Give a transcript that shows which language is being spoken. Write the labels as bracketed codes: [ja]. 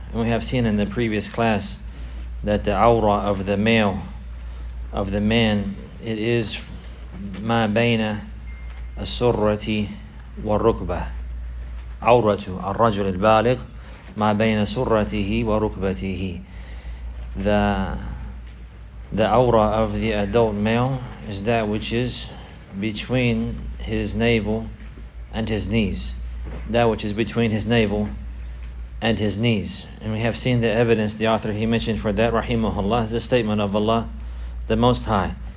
[en] And we have seen in the previous class that the awrah of the male, of the man, it is [ar] ما بين السرة والركبة. عورة الرجل البالغ ما بين سرته وركبته. [en] The awrah of the adult male is that which is between his navel and his knees. That which is between his navel and his knees. And we have seen the evidence the author he mentioned for that, rahimahullah, is the statement of Allah the Most High.